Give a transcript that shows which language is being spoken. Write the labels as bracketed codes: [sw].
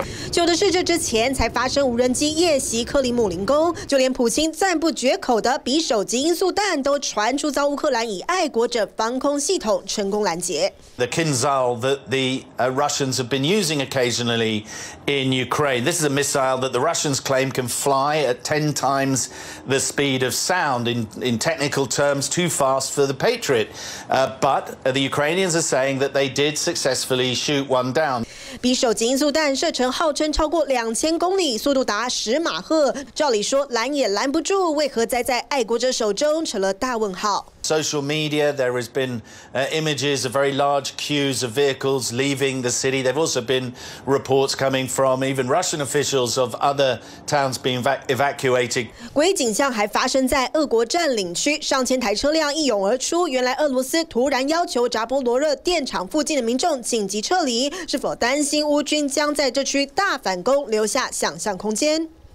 [zh] 就的是这之前才发生无人机夜袭克里姆林宫，就连普京赞不绝口的匕首级音速弹都传出遭乌克兰以爱国者防空系统成功拦截。 [en] The Kinzhal that the Russians have been using occasionally in Ukraine. This is a missile that the Russians claim can fly at 10 times the speed of sound. In technical terms, too fast for the Patriot. But the Ukrainians are saying that they did successfully shoot one down. [zh] 匕首级音速弹射程号称超过2000公里，速度达10马赫。照理说拦也拦不住，为何栽在爱国者手中成了大问号。 [en] Social media, there has been images of very large queues of vehicles leaving the city. There have also been reports coming from even Russian officials of other towns being evacuated. [zh] 鬼景象还发生在俄国占领区，上千台车辆一涌而出。原来俄罗斯突然要求扎波罗热电厂附近的民众紧急撤离，是否担心乌军将在这区大反攻，留下想象空间？